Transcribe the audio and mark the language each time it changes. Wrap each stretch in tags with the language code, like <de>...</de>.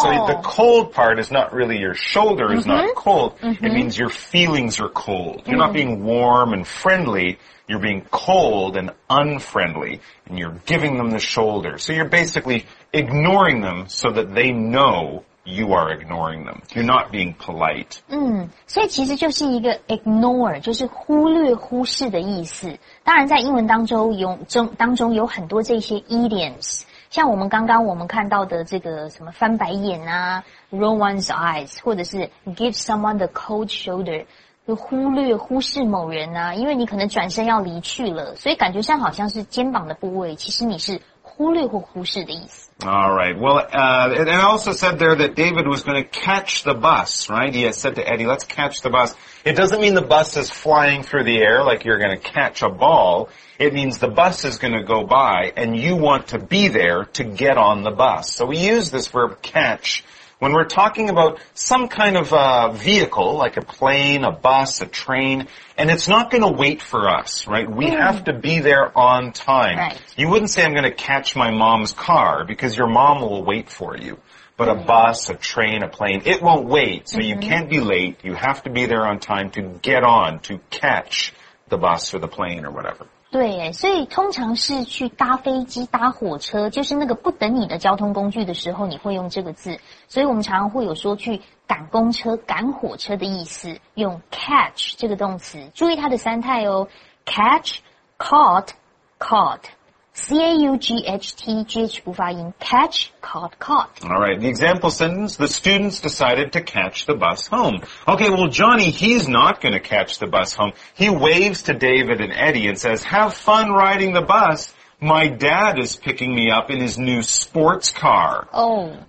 <en>So the cold part is not really your shoulder is not cold. It means your feelings are cold. You're not being warm and friendly. You're being cold and unfriendly, and you're giving them the shoulder. So you're basically ignoring them so that they know you are ignoring them. You're not being polite.</en> <zh>所以其实就是一个 ignore, 就是忽略忽视的意思。当然在英文当中有很多这些 idioms, 像我们刚刚我们看到的这个什么翻白眼啊 roll one's eyes, 或者是 give someone the cold shoulder,忽略忽视某人啊，因为你可能转身要离去了，所以感觉上好像是肩膀的部位，其实你是忽略或忽视的意思。</zh> <en>All right. Well, and I also said there that David was going to catch the bus, right? He had said to Eddie, let's catch the bus. It doesn't mean the bus is flying through the air like you're going to catch a ball. It means the bus is going to go by and you want to be there to get on the bus. So we use this verb catch. When we're talking about some kind of vehicle, like a plane, a bus, a train, and it's not going to wait for us, right? We have to be there on time. Right. You wouldn't say, I'm going to catch my mom's car, because your mom will wait for you. But a bus, a train, a plane, it won't wait. So you can't be late. You have to be there on time to get on, to catch the bus or the plane or whatever.</en> <zh>对耶，所以通常是去搭飞机搭火车，就是那个不等你的交通工具的时候，你会用这个字。所以我们常常会有说去赶公车赶火车的意思，用 catch 这个动词，注意它的三态哦， catch, caught, caught, C-A-U-G-H-T-G-H 不发音， catch, caught, caught.</zh> <en>Alright, the example sentence, the students decided to catch the bus home. Okay, well, Johnny, he's not going to catch the bus home. He waves to David and Eddie and says, have fun riding the bus. My dad is picking me up in his new sports car. Oh.</en>